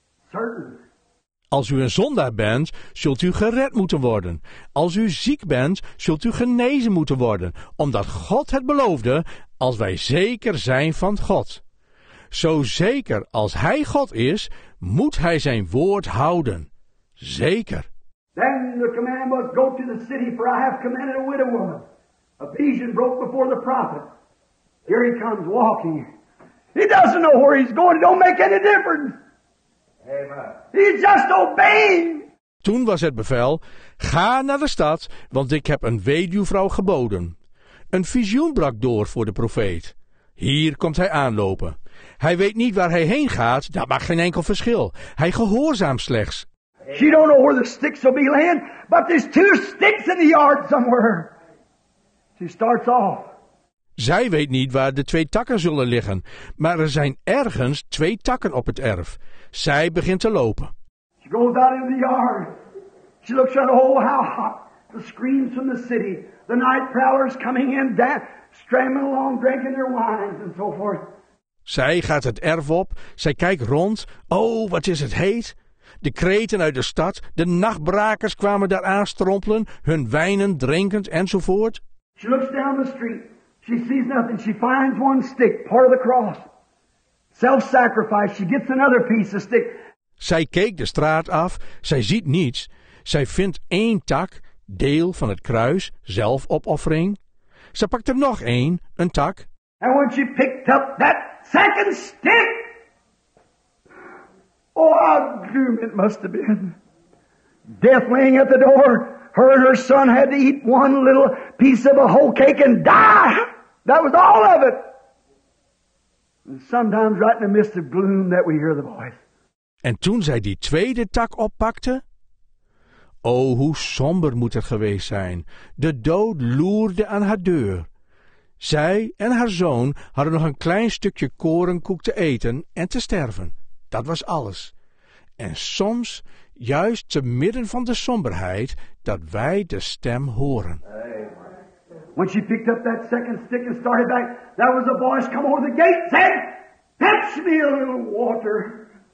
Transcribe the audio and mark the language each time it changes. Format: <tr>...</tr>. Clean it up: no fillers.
<en>Certain.</en> <nl>Als u een zondaar bent, zult u gered moeten worden. Als u ziek bent, zult u genezen moeten worden. Omdat God het beloofde, als wij zeker zijn van God. Zo zeker als hij God is, moet hij zijn woord houden. Zeker.</nl> <en>Then the command was, go to the city, for I have commanded a widow woman. A vision broke before the prophet. Here he comes walking. He doesn't know where he's going. It don't make any difference. Amen. He's just obeying.</en> <nl>Toen was het bevel, ga naar de stad, want ik heb een weduwvrouw geboden. Een visioen brak door voor de profeet. Hier komt hij aanlopen. Hij weet niet waar hij heen gaat, dat maakt geen enkel verschil. Hij gehoorzaamt slechts.</nl> <en>She don't know where the sticks will be laying, but there's two sticks in the yard somewhere. She starts off.</en> <nl>Zij weet niet waar de twee takken zullen liggen, maar er zijn ergens twee takken op het erf. Zij begint te lopen.</nl> <en>She goes out in the yard. She looks out, oh how hot. The screams from the city. The night prowlers coming in, stramming along, drinking their wines and so forth.</en> <nl>Zij gaat het erf op. Zij kijkt rond. Oh, wat is het heet. De kreten uit de stad. De nachtbrakers kwamen daar aanstrompelen. Hun wijnen drinkend enzovoort.</nl> <en>She looks down the street. She sees nothing. She finds one stick, part of the cross. Self-sacrifice, she gets another piece of stick.</en> <nl>Zij keek de straat af, zij ziet niets. Zij vindt één tak, deel van het kruis, zelfopoffering. Ze pakt er nog een tak.</nl> <en>And when she picked up that second stick, oh, how doom it must have been. Death laying at the door, her and her son had to eat one little piece of a whole cake and die. That was all of it. Sometimes right in the midst of gloom that we hear the voice.</en> <nl>En toen zij die tweede tak oppakte? O, hoe somber moet het geweest zijn. De dood loerde aan haar deur. Zij en haar zoon hadden nog een klein stukje korenkoek te eten en te sterven. Dat was alles. En soms, juist te midden van de somberheid, dat wij de stem horen.</nl> <en>When she picked up that second stick and started back, there was a voice come over the gate, said, fetch me a little water.</en>